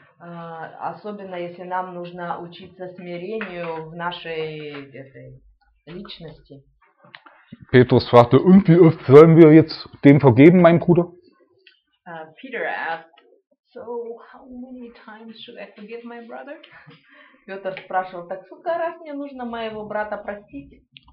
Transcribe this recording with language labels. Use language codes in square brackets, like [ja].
[ru] Особенно если нам нужно учиться смирению в нашей этой личности. [de] Petrus fragte: Und wie oft sollen wir jetzt dem vergeben, mein Bruder? [en] Peter asked: So how many times should I forgive my brother? [ru] Петр спрашивал: Так сколько раз мне нужно моего брата простить?